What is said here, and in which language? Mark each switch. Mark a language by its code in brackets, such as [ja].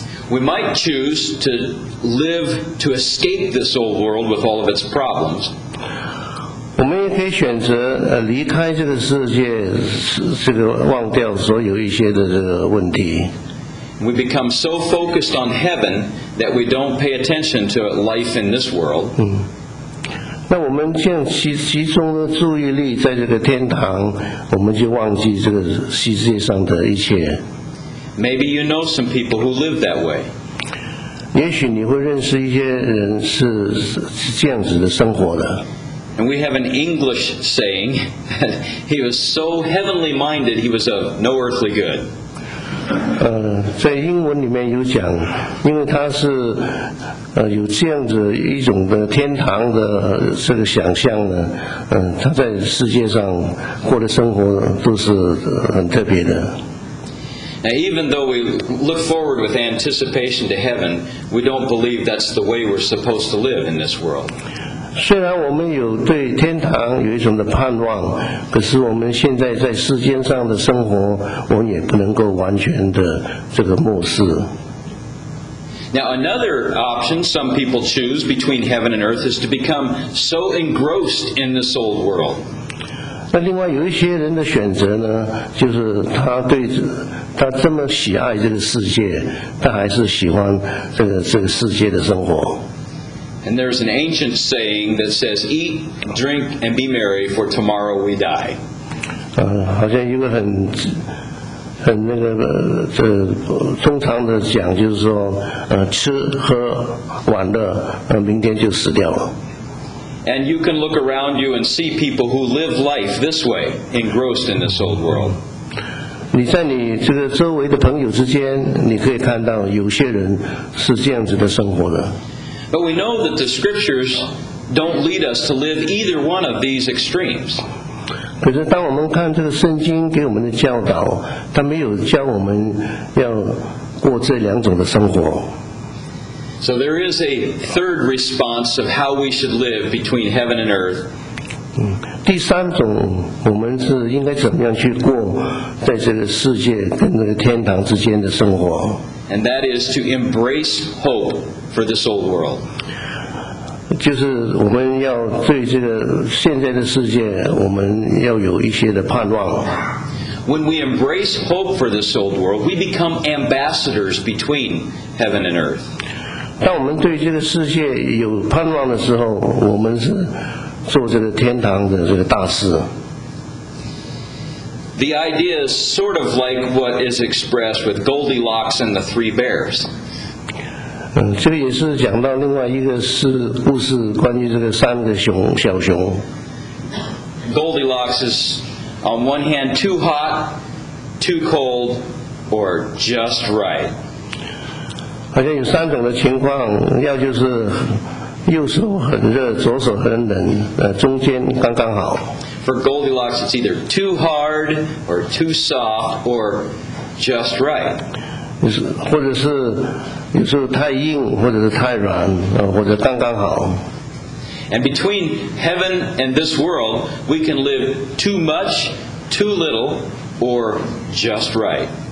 [en] We might choose to live to escape this old world with all of its problems. [zh] 我们也可以选择离开这个世界，这个忘掉所有一些的这个问题。 [en] We become so focused on heaven that we don't pay attention to life in this world. [zh] 那我们这样集中的注意力在这个天堂，我们就忘记这个世界上的一切。 [en] Maybe you know some people who live that way. [zh] 也许你会认识一些人是这样子的生活的。 [en] And we have an English saying, he was so heavenly minded, he was of no earthly good. [zh] 在英文里面有讲，因为他是有这样子一种的天堂的这个想象呢，他在世界上过的生活都是很特别的。 [en] Now, even though we look forward with anticipation to heaven, we don't believe that's the way we're supposed to live in this world. [zh] 虽然我们有对天堂有一种的盼望，可是我们现在在世间上的生活，我们也不能够完全的这个漠视。 [en] Now another option some people choose between heaven and earth is to become so engrossed in this old world. [zh] 那另外有一些人的选择呢，就是他这么喜爱这个世界，他还是喜欢这个世界的生活。 [en] And there's an ancient saying that says, "Eat, drink, and be merry, for tomorrow we die." [zh] 好像一个很那个通常的讲就是说，吃喝玩乐，明天就死掉了。 [en] And you can look around you and see people who live life this way, engrossed in this old world. [zh] 你在你这个周围的朋友之间，你可以看到有些人是这样子的生活的。 [en] But we know that the scriptures don't lead us to live either one of these extremes. [zh] 可是当我们看这个圣经给我们的教导，它没有教我们要过这两种的生活。 [en] So there is a third response of how we should live between heaven and earth. [zh] 第三种我们是应该怎么样去过在这个世界跟这个天堂之间的生活。 [en] And that is to embrace hope for this old world. [zh] 就是我们要对这个现在的世界，我们要有一些的盼望。 [en] When we embrace hope for this old world, we become ambassadors between heaven and earth. [zh] 当我们对这个世界有盼望的时候，我们是做这个天堂的这个大使。 [en] the idea is sort of like what is expressed with Goldilocks and the Three Bears. [zh] 这也是讲到另外一个故事，关于这个三个熊，小熊。 [en] Goldilocks is, on one hand, too hot, too cold, or just right. [zh] 好像有三种的情况，要就是右手很热，左手很冷，中间刚刚好。 [en] For Goldilocks, it's either too hard, or too soft, or just right. [zh] 或者是有时候太硬，或者是太软，或者刚刚好。 [en] And between heaven and this world, we can live too much, too little, or just right.